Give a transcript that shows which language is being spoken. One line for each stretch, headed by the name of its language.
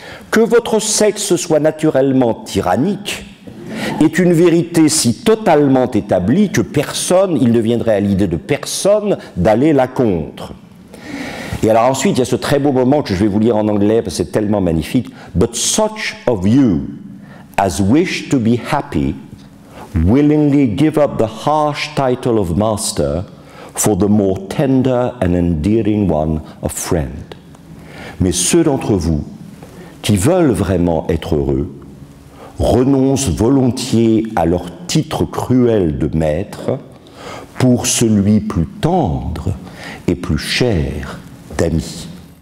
French: Que votre sexe soit naturellement tyrannique est une vérité si totalement établie que personne, il ne viendrait à l'idée de personne d'aller la contre. Et alors ensuite, il y a ce très beau moment que je vais vous lire en anglais parce que c'est tellement magnifique.
English: But such of you as wish to be happy willingly give up the harsh title of master for the more tender and endearing one of friend.
French: Mais ceux d'entre vous qui veulent vraiment être heureux renoncent volontiers à leur titre cruel de maître pour celui plus tendre et plus cher d'amis. »